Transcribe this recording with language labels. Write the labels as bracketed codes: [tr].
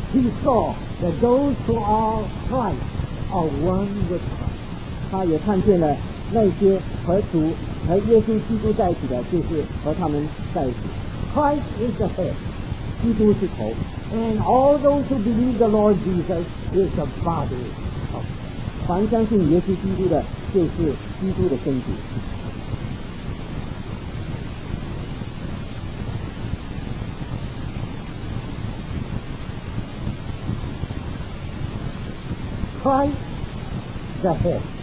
[en] He saw that those who are ChristOf one with Christ, [zh] 他也看见了那些和主和耶稣基督在一起的，就是和他们在一起。 [en] Christ is the head, [zh] 基督是头。 [en] And all those who believe the Lord Jesus is the body of Christ. [zh] 凡相信耶稣基督的，就是基督的身体。 [en] Christ the head,